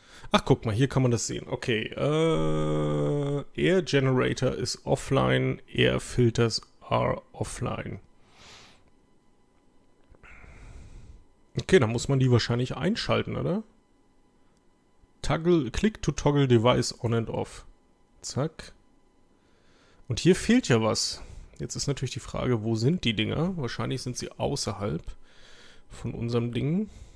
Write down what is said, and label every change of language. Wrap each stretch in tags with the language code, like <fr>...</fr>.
<de>Ach, guck mal, hier kann man das sehen. Okay. Air Generator ist offline.</de> <en>Air Filters are offline.</en> <de>Okay, dann muss man die wahrscheinlich einschalten, oder?</de> <en>Toggle, click to toggle device on and off.</en> <de>Zack. Und hier fehlt ja was. Jetzt ist natürlich die Frage, wo sind die Dinger? Wahrscheinlich sind sie außerhalb von unserem Ding.</de>